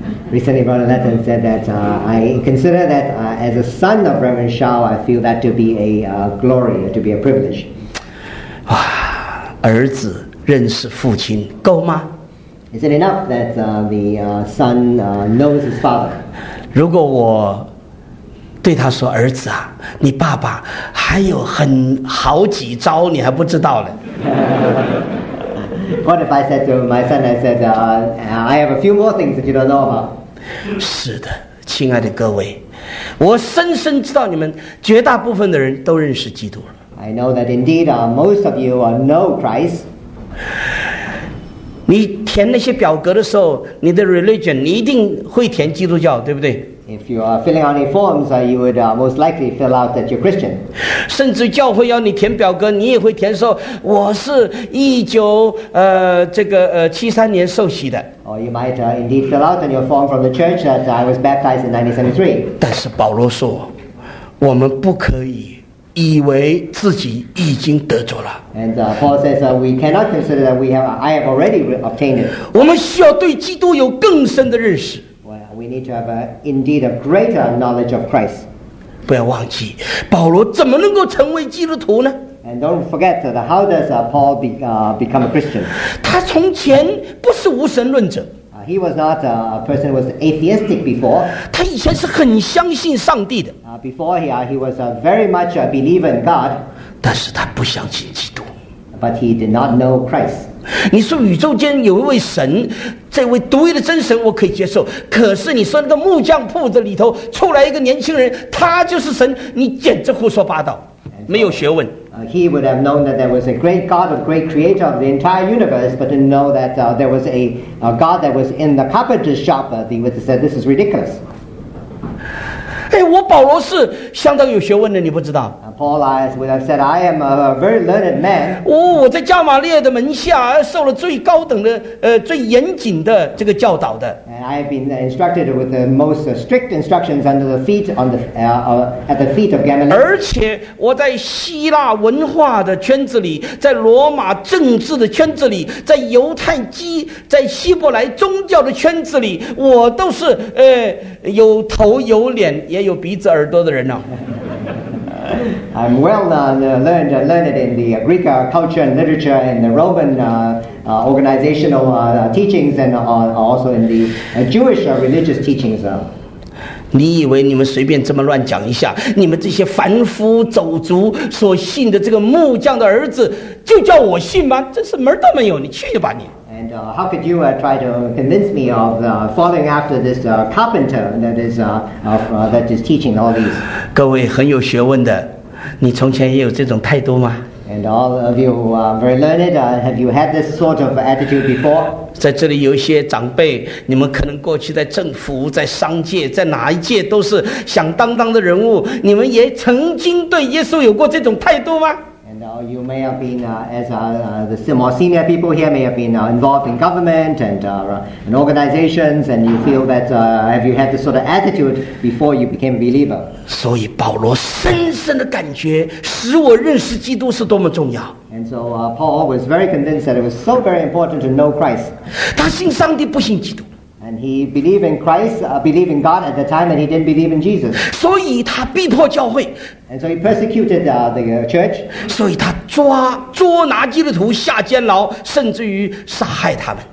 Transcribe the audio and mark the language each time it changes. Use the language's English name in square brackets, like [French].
[English] Recently, Brother Nathan said that I consider that as a son of Reverend Shaw, I feel that to be a glory, to be a privilege. [Chinese] 哇，儿子认识父亲够吗？ [English] Is it enough that the son knows his father? [Chinese] 如果我对他说，儿子啊，你爸爸还有很好几招你还不知道呢。 [English] What if I said to my son, I said, I have a few more things that you don't know about. [Chinese] 是的，亲爱的各位，我深深知道你们绝大部分的人都认识基督了。 [English] I know that indeed, most of you know Christ. [Chinese] 你填那些表格的时候，你的 religion, 你一定会填基督教，对不对？ [English] If you are filling out any forms, you would most likely fill out that you're Christian. [Chinese] 甚至教会要你填表格，你也会填说我是1973年受洗的。 [English] Or you might indeed fill out in your form from the church that I was baptized in 1973. [Chinese] 但是保罗说，我们不可以以为自己已经得着了。 [English] And Paul says we cannot consider that I have already obtained it. [Chinese] 我们需要对基督有更深的认识。 [English] We need to have indeed a greater knowledge of Christ. [Chinese] 不要忘记，保罗怎么能够成为基督徒呢？ [English] And don't forget that how does Paul become a Christian? [Chinese] 他从前不是无神论者。 [English] He was not a person who was atheistic before. [Chinese] 他以前是很相信上帝的。 [English] Before he was very much a believer in God. [Chinese] 但是他不相信基督。 [English] But he did not know Christ. [Chinese] 你说宇宙间有一位神，这位独一的真神我可以接受，可是你说那个木匠铺子里头出来一个年轻人，他就是神，你简直胡说八道，没有学问。 [English] He would have known that there was a great God, a great creator of the entire universe, but didn't know that there was a God that was in the carpenter's shop. He would have said, this is ridiculous. [Chinese] 哎，我保罗是相当有学问的，你不知道。 [English] Paul, as we have said, I am a very learned man. [Chinese] 我在加玛列的门下受了最高等的最严谨的这个教导的。 [English] And I have been instructed with the most strict instructions under the feet on the at the feet of Gamaliel. [Chinese] 而且我在希腊文化的圈子里，在罗马政治的圈子里，在犹太基在希伯来宗教的圈子里，我都是有头有脸也有鼻子耳朵的人呢、啊。 [English] I'm well learned in the Greek culture and literature and the Roman organizational teachings and also in the Jewish religious teachings. [Chinese] 你以为你们随便这么乱讲一下，你们这些凡夫走卒所信的这个木匠的儿子就叫我信吗？真是门都没有，你去吧你。 [English] And how could you try to convince me of following after this carpenter that is teaching all these? [Chinese] 各位很有学问的，你从前也有这种态度吗？ [English] And all of you who are very learned, have you had this sort of attitude before? [Chinese] 在这里有些长辈，你们可能过去在政府、在商界、在哪一界都是响当当的人物，你们也曾经对耶稣有过这种态度吗？ [English] You may have been the more senior people here may have been involved in government and organizations, and you feel that have you had this sort of attitude before you became a believer? [Chinese] 所以保罗深深的感觉，使我认识基督是多么重要。 [English] And so Paul was very convinced that it was so very important to know Christ. [Chinese] 他信上帝，不信基督。 [English] And he believed in Christ, believed in God at the time, and he didn't believe in Jesus. [Chinese] 所以他逼迫教会。 [English] And so he persecuted the church. [Chinese] 所以他捉拿基督徒下监牢，甚至于杀害他们。